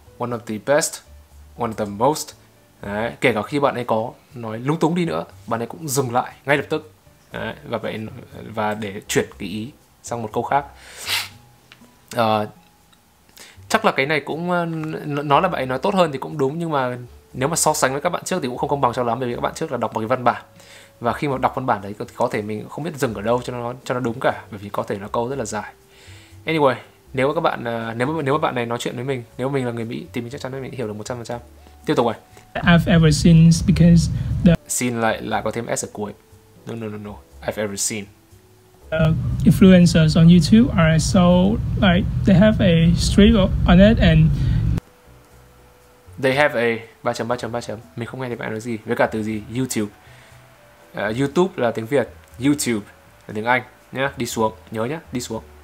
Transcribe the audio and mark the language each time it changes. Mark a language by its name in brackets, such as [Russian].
[English] One of the best, one of the most. [Vietnamese] Đấy, kể cả khi bạn ấy có nói lúng túng đi nữa, bạn ấy cũng dừng lại ngay lập tức. Đấy, và để chuyển cái ý. sang một câu khác. Chắc là cái này cũng nó là bạn nói tốt hơn thì cũng đúng, nhưng mà nếu mà so sánh với các bạn trước thì cũng không công bằng cho lắm, bởi vì các bạn trước là đọc một cái văn bản, và khi mà đọc văn bản đấy thì có thể mình không biết dừng ở đâu cho nó đúng cả, bởi vì có thể là câu rất là dài. Anyway, nếu mà các bạn nếu mà bạn này nói chuyện với mình, nếu mình là người Mỹ thì mình chắc chắn là mình hiểu được 100%. Tiếp tục rồi. [English] I've ever seen because the [Vietnamese] seen lại có thêm s ở cuối. [English] No. I've ever seen. Influencers on YouTube are so like they have a streak on it and they have a 3.3.3. [Vietnamese] Mình không nghe thấy bạn nói gì với cả từ gì YouTube. YouTube là tiếng Việt, YouTube là tiếng Anh nhá. Đi xuống, nhớ nhá, đi xuống.